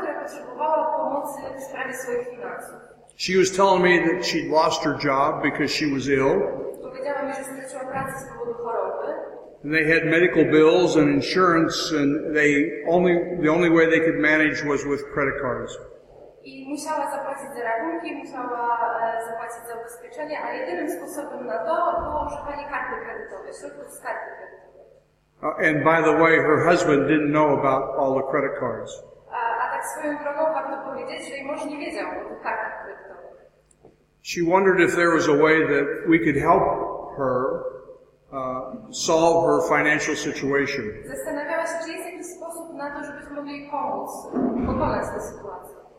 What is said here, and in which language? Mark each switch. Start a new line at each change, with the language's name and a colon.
Polish: potrzebowała pomocy w sprawie swoich finansów.
English: She was telling me that she'd lost her job because she was ill.
Polish: Powiedziała mi, że straciła pracę z powodu choroby.
English: And they had medical bills and insurance, and the only way they could manage was with credit cards.
Polish: I musiała zapłacić za rachunki, musiała zapłacić za ubezpieczenie, a jedynym sposobem na to było używanie karty kredytowej, środków z karty kredytowej.
English: And by the way, her husband didn't know about all the credit cards.
Polish: A tak swoją drogą warto powiedzieć, że jej mąż nie wiedział o tych kartach kredytowych.
English: She wondered if there was a way that we could help her solve her financial situation.
Polish: Zastanawiała się, czy jest jakiś sposób na to, żebyśmy mogli jej pomóc, pokonać tę sytuację.